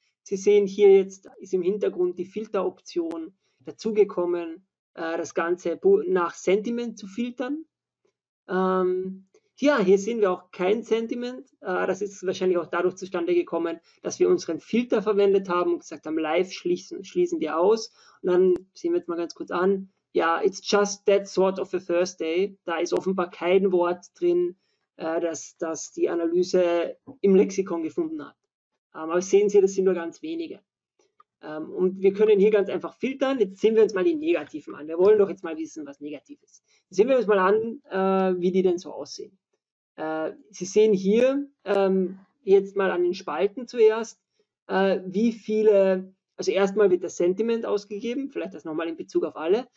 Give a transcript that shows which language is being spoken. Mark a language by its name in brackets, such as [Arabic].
[German] Sie sehen hier jetzt, ist im Hintergrund die Filteroption dazugekommen, das Ganze nach Sentiment zu filtern. Ja, hier sehen wir auch kein Sentiment. Das ist wahrscheinlich auch dadurch zustande gekommen, dass wir unseren Filter verwendet haben und gesagt haben, live schließen wir aus. Und dann sehen wir jetzt mal ganz kurz an. [English] Ja, it's just that sort of a Thursday. [German] Da ist offenbar kein Wort drin, das die Analyse im Lexikon gefunden hat. Aber sehen Sie, das sind nur ganz wenige. Und wir können hier ganz einfach filtern. Jetzt sehen wir uns mal die Negativen an. Wir wollen doch jetzt mal wissen, was negativ ist. Sehen wir uns mal an, wie die denn so aussehen. Sie sehen hier jetzt mal an den Spalten zuerst, wie viele, also erstmal wird das Sentiment ausgegeben, vielleicht das nochmal in Bezug auf alle.